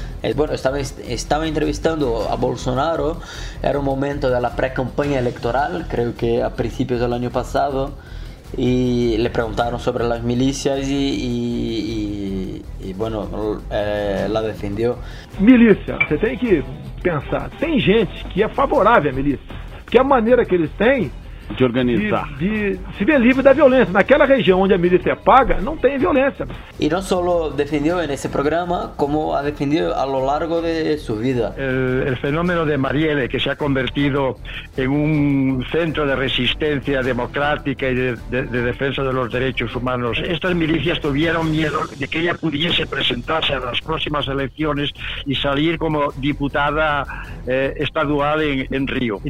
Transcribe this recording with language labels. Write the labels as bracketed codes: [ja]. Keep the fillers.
[es] Eh, bueno, estaba, estaba entrevistando a Bolsonaro, era un momento de la pre-campaña electoral, creo que a principios del año pasado y le preguntaron sobre las milicias y, y, y, y bueno, eh, la defendió. [pt] Milícia, você tem que pensar, tem gente que é favorável à milícia, porque a maneira que eles têm de organizar. De, de, se ver livre da violência. Naquela região onde a milícia é paga, não tem violência. E não só defendeu nesse programa, como a defendido [es] a lo largo de [pt] sua vida. [es] El, el, fenómeno de Marielle, que se ha convertido en un centro de resistencia democrática y de, de, de defensa de los derechos humanos. Estas milicias tuvieron miedo de que ella pudiese presentarse a las próximas elecciones y salir como diputada eh, estadual en, en, Río.